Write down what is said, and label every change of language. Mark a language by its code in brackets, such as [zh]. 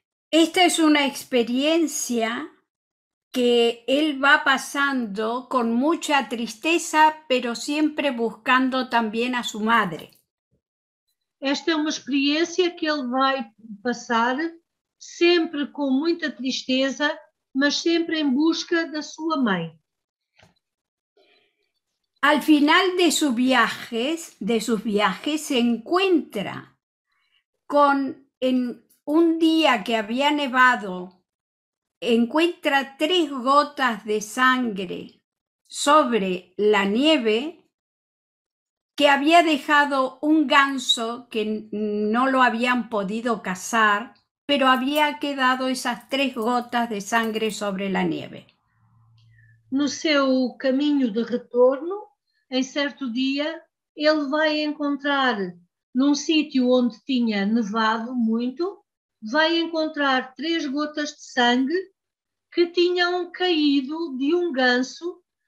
[pt] Esta é uma experiência que ele vai passando com muita tristeza, pero sempre buscando também a sua madre. Esta é uma experiência que ele vai passar sempre com muita tristeza, mas sempre em busca da sua mãe. [es] Al final de sus viajes, se encuentra con, en un día que había nevado, encuentra tres gotas de sangre sobre la nieve que había dejado un ganso que no lo habían podido cazar, pero había quedado esas tres gotas de sangre sobre la nieve. [pt] No seu caminho de retorno, em certo dia, ele vai encontrar, num sítio onde tinha nevado muito, vai encontrar três gotas de sangue que tinham caído de um ganso.